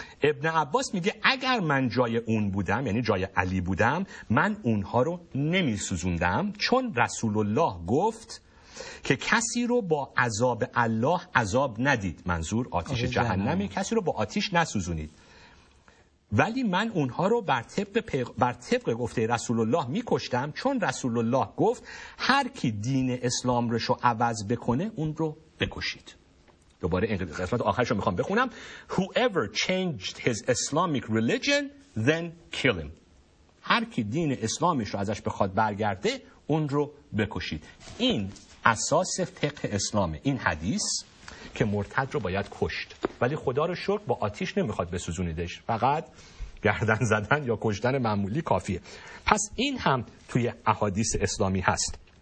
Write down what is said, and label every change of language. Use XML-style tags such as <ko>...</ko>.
<fa>ابن عباس میگه اگر من جای اون بودم، یعنی جای علی بودم، من اونها رو نمی سوزوندم، چون رسول الله گفت که کسی رو با عذاب الله عذاب ندید، منظور آتش جهنمی، کسی رو با آتش نسوزونید، ولی من اونها رو بر طبق گفته رسول الله میکشتم، چون رسول الله گفت هر کی دین اسلام رو عوض بکنه اون رو بکشید. دوباره این قسمت آخرش رو میخوام بخونم.</fa> <en>Whoever changed his Islamic religion then kill him.</en> <fa>هر کی دین اسلامش رو ازش بخواد برگرده اون رو بکشید. این اساس فقه اسلامه، این حدیث که مرتد رو باید کشت، ولی خدا رو شکر با آتش نمیخواد بسوزونیدش، فقط گردن زدن یا کشتن معمولی کافیه. پس این هم توی احادیث اسلامی هست.</fa>